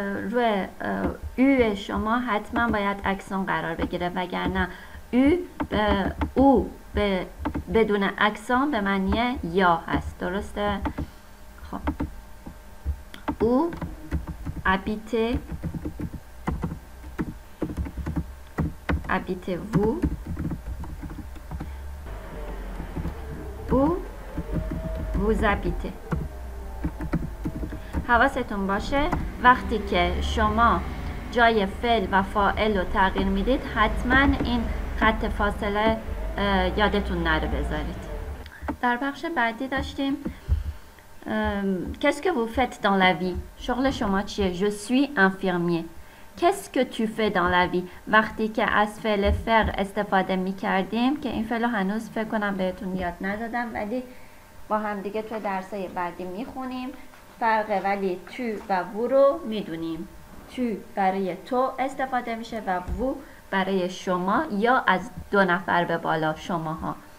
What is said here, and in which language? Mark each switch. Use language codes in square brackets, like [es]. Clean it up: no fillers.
[fa] روی او شما حتما باید اکسون قرار بگیره، وگرنه او به او به بدون اکسون به معنی یا هست، درسته؟ خب او ابیته [fr] habitez-vous où vous habitez. [fa] حواستون باشه وقتی که شما جای فعل و فاعل رو تغییر میدید حتما این خط فاصله یادتون نره بذارید. در بخش بعدی داشتیم [fr] qu'est-ce que vous faites dans la vie؟ [fa] شغل شما چیه؟ [fr] je suis infirmier. Qu'est-ce que tu fais dans la vie؟ [fa] وقتی که از فعل فر استفاده می کردیم که این فعل هنوز فکر کنم بهتون یاد ندادم، ولی با هم دیگه توی درسای بعدی می خونیم فرقه، ولی تو و وو رو می دونیم. تو برای تو استفاده میشه و وو برای شما یا از دو نفر به بالا شماها.